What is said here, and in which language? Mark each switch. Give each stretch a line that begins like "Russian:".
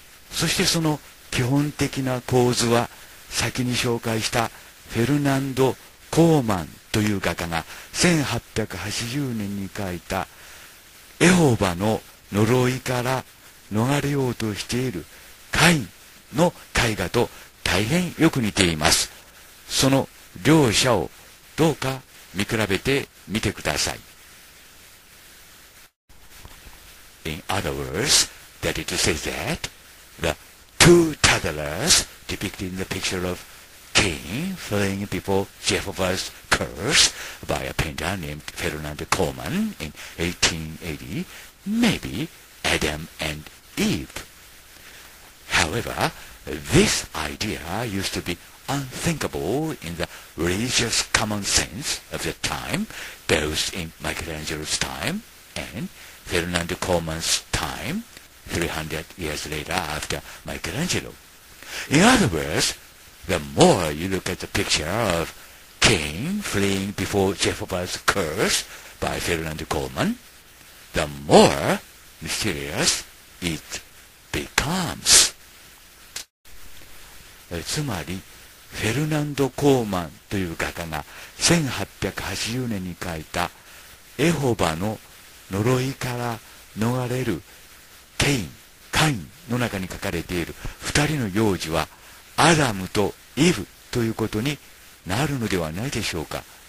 Japanese: そしてその基本的な構図は、先に紹介したフェルナンド・コーマンという画家が1880年に描いたエホバの呪いから逃れようとしているカインの絵画と大変よく似ています。その両者をどうか見比べてみてください。
English: In other words, that it says that the two toddlers depicted in the picture of Cain fleeing before Jehovah's curse by a painter named Fernando Coleman in 1880 may be Adam and Eve. However, this idea used to beunthinkable in the religious common sense of the time, both in Michelangelo's time and Fernando Coleman's time, 300 years later after Michelangelo. In other words, the more you look at the picture of Cain fleeing before Jehovah's curse by Fernando Coleman, the more mysterious it becomes.
Japanese: つまりフェルナンド・コーマンという画家が1880年に描いたエホバの呪いから逃れるケイン、カインの中に描かれている二人の幼児はアダムとイブということになるのではないでしょうか。